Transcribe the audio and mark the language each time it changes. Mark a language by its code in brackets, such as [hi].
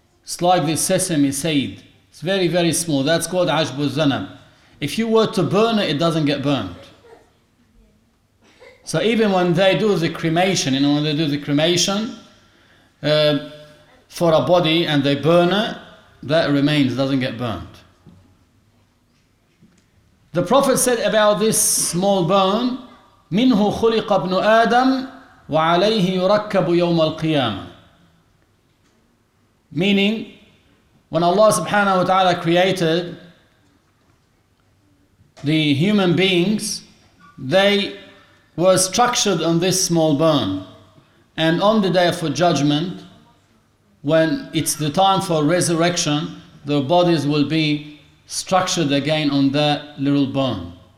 [en] It's like the sesame seed. It's very, very small. That's called ajb al-zanab. If you were to burn it, it doesn't get burned. So even when they do the cremation, you know, when they do the cremation for a body and they burn it, that remains, doesn't get burned. The Prophet said about this small bone, [ar] مِنْهُ خُلِقَ ابْنُ آدَمُ وَعَلَيْهِ يُرَكَّبُ يَوْمَ الْقِيَامَةِ. [en] Meaning, when Allah subhanahu wa ta'ala created the human beings, they were structured on this small bone. And on the day of judgment, when it's the time for resurrection, their bodies will be structured again on that little bone.